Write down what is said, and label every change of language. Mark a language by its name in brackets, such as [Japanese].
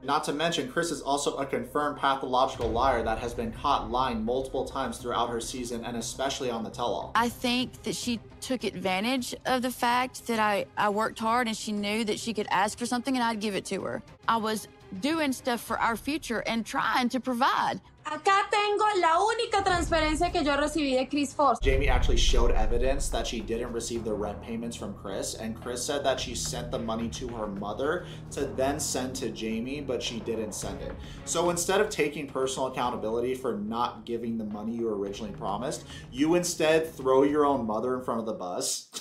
[English] Not to mention, Kris is also a confirmed pathological liar that has been caught lying multiple times throughout her season, and especially on the tell-all. I think that she took advantage of the fact that I worked hard, and she knew that she could ask for something and I'd give it to her. I was doing stuff for our future and trying to provide. [Spanish] Acá tengo la única transferencia que yo recibí de Kris Force. [English] Jeymi actually showed evidence that she didn't receive the rent payments from Kris, and Kris said that she sent the money to her mother to then send to Jeymi, but she didn't send it. So instead of taking personal accountability for not giving the money you originally promised, you instead throw your own mother in front of the bus.